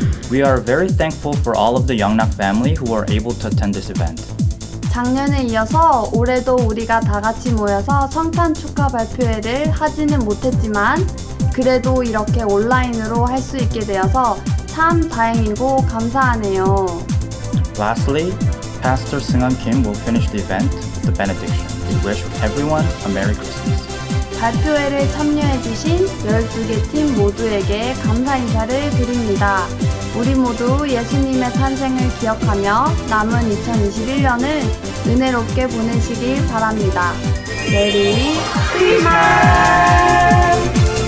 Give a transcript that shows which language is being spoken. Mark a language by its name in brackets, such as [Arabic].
[English] We are very thankful for all of the Yongnak family who were able to attend this event. [Korean] 작년에 이어서 올해도 우리가 다 같이 모여서 성탄 축하 발표회를 하지는 못했지만 그래도 이렇게 온라인으로 할 수 있게 되어서 참 다행이고 감사하네요. [English] Lastly, Pastor Seung-Hun Kim will finish the event with the benediction. We wish everyone a Merry Christmas. [Korean] 발표회를 참여해주신 12개 팀 모두에게 감사 인사를 드립니다. 우리 모두 예수님의 탄생을 기억하며 남은 2021년을 은혜롭게 보내시길 바랍니다. [English] 메리 크리스마스!